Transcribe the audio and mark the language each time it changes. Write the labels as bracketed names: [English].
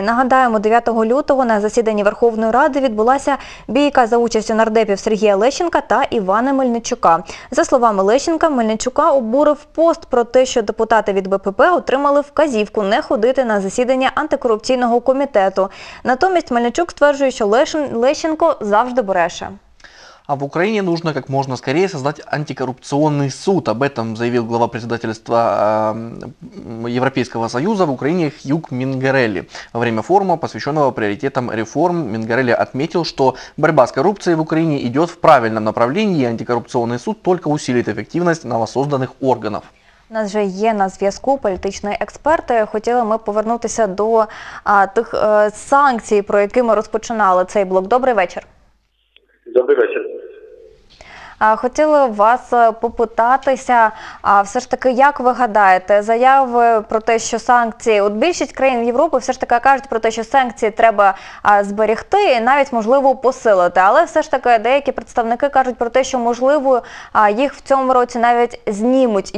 [Ukrainian] Нагадаємо, 9 лютого на засіданні Верховної Ради відбулася бійка за участю нардепів Сергія Лещенка та Івана Мельничука. За словами Лещенка, Мельничука обурив пост про те, що депутати від БПП отримали вказівку не ходити на засідання антикорупційного комітету. Натомість Мельничук стверджує, що Лещенко завжди бреше. [Russian] А в Украине нужно как можно скорее создать антикоррупционный суд. Об этом заявил глава председательства Европейского Союза в Украине Хьюг Мингарелли. Во время форума, посвященного приоритетам реформ, Мингарелли отметил, что борьба с коррупцией в Украине идет в правильном направлении, и антикоррупционный суд только усилит эффективность новосозданных органов. [Ukrainian] У нас вже є на зв'язку політичний експерт. Хотіли ми повернутися до тих санкцій, про які ми розпочинали цей блок. Добрий вечір. Добрий вечір. Хотіли вас попитатися, все ж таки, як ви гадаєте, заяви про те, що санкції, от більшість країн Європи все ж таки кажуть про те, що санкції треба зберегти і навіть, можливо, посилити, але все ж таки деякі представники кажуть про те, що, можливо, їх в цьому році навіть знімуть.